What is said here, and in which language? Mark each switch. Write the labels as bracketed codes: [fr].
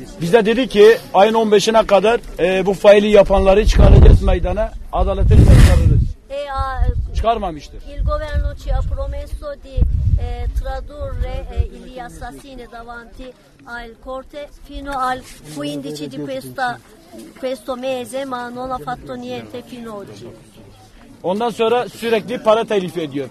[tr] Biz de dedi ki ayın 15'ine kadar bu faili yapanları çıkaracağız meydana, adaleti çıkarırız. Çıkarmamıştır. [it] Il governo ci ha promesso di tradurre gli assassini davanti al corte fino al 15 di questo mese ma non ha fatto niente fino oggi. [tr] Ondan sonra sürekli para telif ediyor.